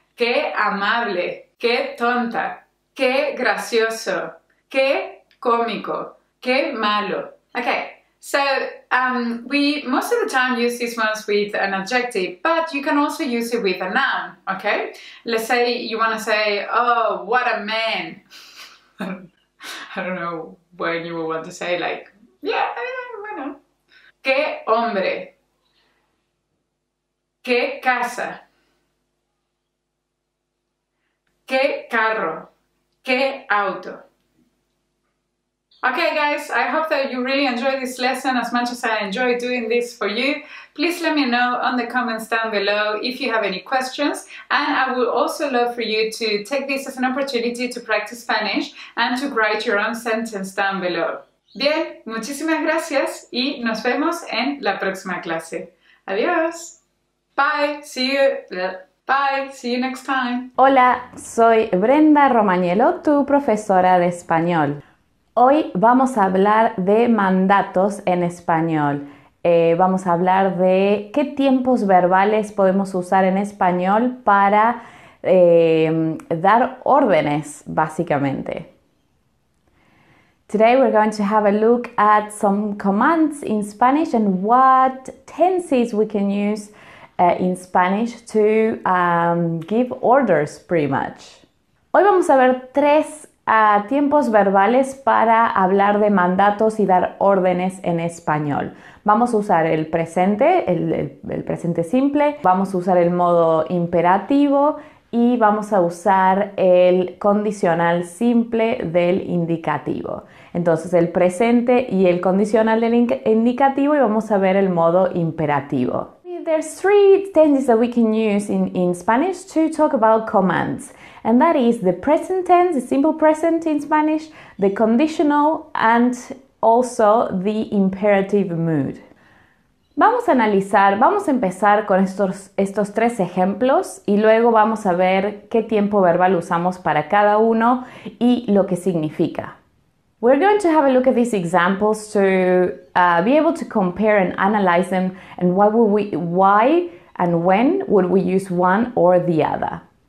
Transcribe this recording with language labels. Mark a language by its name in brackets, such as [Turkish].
[Spanish] Qué amable, qué tonta, qué gracioso, qué cómico, qué malo. [English] Okay, so we most of the time use these ones with an adjective, but you can also use it with a noun, okay? Let's say you want to say, oh, what a man. I don't know when you would want to say, like, yeah, bueno. [Spanish] Qué hombre, qué casa. ¿Qué carro? ¿Qué auto? [English] Okay, guys, I hope that you really enjoy this lesson as much as I enjoy doing this for you. Please let me know on the comments down below if you have any questions. And I would also love for you to take this as an opportunity to practice Spanish and to write your own sentence down below. [Spanish] Bien, muchísimas gracias y nos vemos en la próxima clase. [English] Adiós. Bye, see you. Bye, see you next time. [Spanish] Hola, soy Brenda Romagnello, tu profesora de español. Hoy vamos a hablar de mandatos en español. Vamos a hablar de qué tiempos verbales podemos usar en español para dar órdenes, básicamente. [English] Today we're going to have a look at some commands in Spanish and what tenses we can use in Spanish to give orders, pretty much. [Spanish] Hoy vamos a ver tres tiempos verbales para hablar de mandatos y dar órdenes en español. Vamos a usar el presente, el presente simple, vamos a usar el modo imperativo y vamos a usar el condicional simple del indicativo. Entonces el presente y el condicional del indicativo y vamos a ver el modo imperativo. [English] There's three tenses that we can use in Spanish to talk about commands, and that is the present tense, the simple present in Spanish, the conditional, and also the imperative mood. [Spanish] Vamos a analizar, vamos a empezar con estos tres ejemplos y luego vamos a ver qué tiempo verbal usamos para cada uno y lo que significa. [English] We're going to have a look at these examples to be able to compare and analyze them and why and when would we use one or the other.